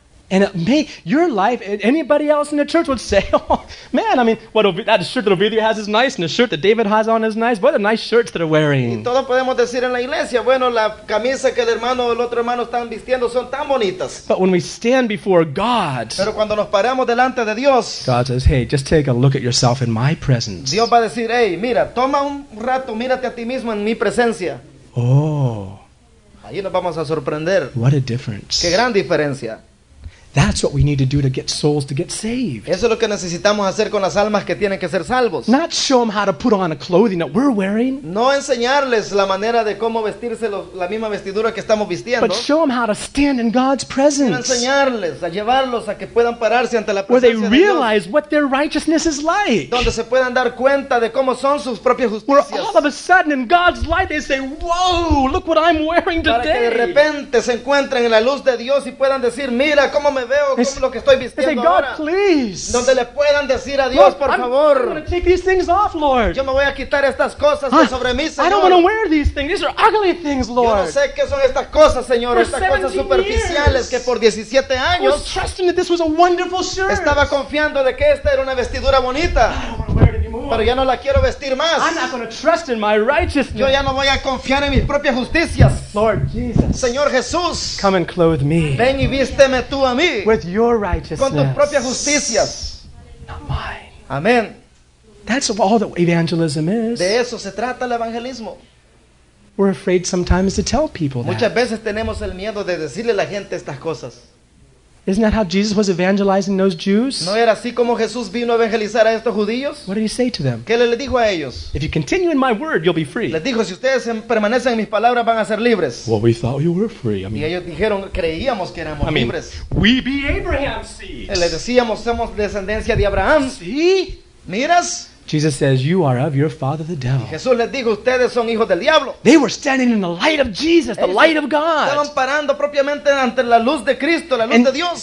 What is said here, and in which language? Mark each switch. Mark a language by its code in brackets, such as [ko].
[en] And your life, anybody else in the church would say, oh, man, I mean, that shirt that Ovidio has is nice, and the shirt that David has on is nice. What a nice shirts they're wearing. [es] Y todos podemos decir en la iglesia, bueno, la camisa que el hermano o el otro hermano están vistiendo son tan bonitas. [en] But when we stand before God, [es] pero cuando nos paramos delante de Dios, [en] God says, hey, just take a look at yourself in my presence. [es] Dios va a decir, hey, mira, toma un rato, mírate a ti mismo en mi presencia. Oh. Ahí nos vamos a sorprender. [en] What a difference. [es] Qué gran diferencia. [en] That's what we need to do to get souls to get saved. [es] Eso es lo que necesitamos hacer con las almas que tienen que ser salvos. [en] Not show them how to put on a clothing that we're wearing. [es] No enseñarles la manera de cómo vestirse la misma vestidura que estamos vistiendo. [en] But show them how to stand in God's presence. [es] No enseñarles a llevarlos a que puedan pararse ante la presencia de Dios. [en] Where they realize what their righteousness is like. [es] Donde se puedan dar cuenta de cómo son sus propias justicias. [en] Where all of a sudden in God's light they say, "Whoa, look what I'm wearing today." [es] Para que de repente se encuentren en la luz de Dios y puedan decir, "Mira cómo me veo como lo que estoy vistiendo [en] say, God, [es] ahora [en] please. [es] Donde le puedan decir a Dios, por favor, [en] off, Lord. [es] Yo me voy a quitar estas cosas sobre mí, Señor. [en] I don't want to wear these things. These are ugly things, Lord. [es] Yo no sé qué son estas cosas, Señor, [en] for [es] estas cosas superficiales que por 17 años [en] I was trusting that this was a wonderful shirt. [es] Estaba confiando de que esta era una vestidura bonita. Pero ya no la quiero vestir más. [en] I'm not going to trust in my righteousness. [es] Yo ya no voy a confiar en mis propias justicias. [en] Lord Jesus. [es] Señor Jesús. [en] Come and clothe me. [es] Ven y vísteme tú a mí. [en] With your righteousness. [es] Con tus propias justicias. [en] Not mine. [es] Amén. [en] That's all that evangelism is. [es] De eso se trata el evangelismo. [en] We're afraid sometimes to tell people that. [es] Muchas veces tenemos el miedo de decirle a la gente estas cosas. [en] Isn't that how Jesus was evangelizing those Jews? [es] ¿No era así como Jesús vino a evangelizar a estos judíos? [en] What did he say to them? [es] ¿Qué le dijo a ellos? [en] If you continue in my word, you'll be free. [es] Les dijo, si ustedes permanecen en mis palabras, van a ser libres. [en] Well, we thought we were free. [es] Y ellos dijeron, creíamos que éramos libres. [en] We be Abraham's seed. [es] Les decíamos, somos descendencia de Abraham. ¿Sí? ¿Miras? [en] Jesus says, you are of your father the devil. [es] Jesús les dijo, ustedes son hijos del diablo. [en] They were standing in the light of Jesus, the light of God. [es] Estaban parando propiamente ante la luz de Cristo, la luz de Dios.